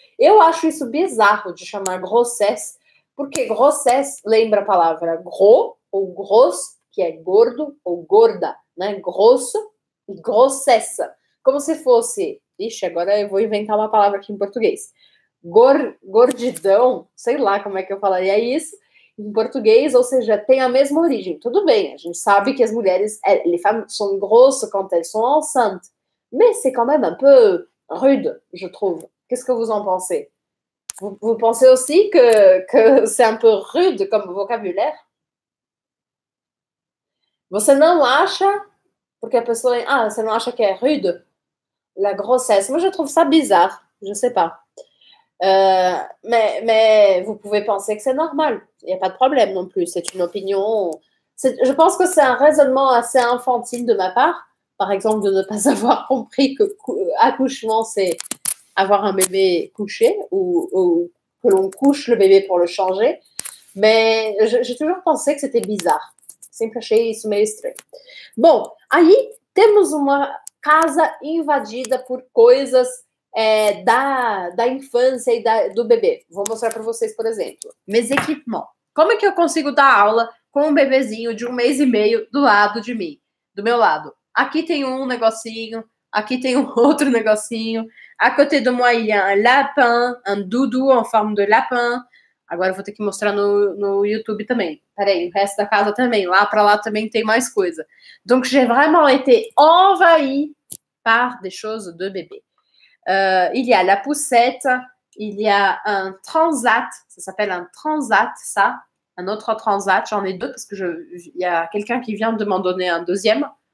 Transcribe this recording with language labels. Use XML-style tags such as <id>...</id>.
<pt>Eu acho isso bizarro de chamar grossesse, porque grossesse lembra a palavra gros ou gros, que é gordo ou gorda, né? Grosso e grossessa. Como se fosse... Ixi, agora eu vou inventar uma palavra aqui em português. Gordidão, sei lá como é que eu falaria isso em português, ou seja, tem a mesma origem. Tudo bem, a gente sabe que as mulheres são grosso</pt> <fr>quand elles sont enceintes, mais c'est quand même un peu rude, je trouve. Qu'est-ce que vous en pensez? Vous pensez aussi que c'est un peu rude comme vocabulaire?</fr> <pt>Você não acha, porque a pessoa... Ah, você não acha que é rude?</pt> <fr>La grossesse. Moi, je trouve ça bizarre. Je sais pas. Mais vous pouvez penser que c'est normal. Il n'y a pas de problème non plus. C'est une opinion... Je pense que c'est un raisonnement assez infantile de ma part. Par exemple, de ne pas avoir compris que accouchement, c'est... avoir un bébé couché ou que l'on couche le bébé pour le changer. Mais j'ai toujours pensé que c'était bizarre.</fr> <pt>Sempre achei isso meio estranho. Bom, aí temos uma casa invadida por coisas da infância e do bebê. Vou mostrar para vocês, por exemplo.</pt> <fr>Mes équipements.</fr> <pt>Como é que eu consigo dar aula com um bebezinho de 1 mês e meio do lado de mim? Do meu lado. Aqui tem um negocinho. Aqui tem um outro negocinho.</pt> <fr>À côté de moi, il y a un lapin, un doudou en forme de lapin.</fr> <pt>Agora eu vou ter que mostrar no YouTube também. Peraí, o resto da casa também. Lá para lá também tem mais coisa.</pt> <fr>Donc, j'ai vraiment été envahie par des choses de bébé. Il y a la poussette, il y a un transat. Ça s'appelle un transat, ça. Un autre transat. J'en ai deux parce que il y a quelqu'un qui vient de m'en donner un deuxième.</fr>